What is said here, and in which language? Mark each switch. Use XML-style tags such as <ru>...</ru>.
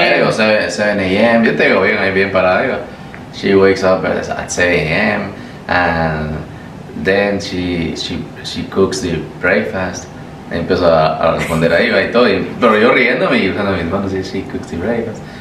<es>7 a.m. Yo te digo bien, ahí bien parada, digo.</es> <en>She wakes up at 7 a.m. and then she cooks the breakfast.</en> <es>Empiezo a responder ahí, va, y todo, pero yo riéndome y usando mis manos, y</es> <en>she cooks the breakfast.</en>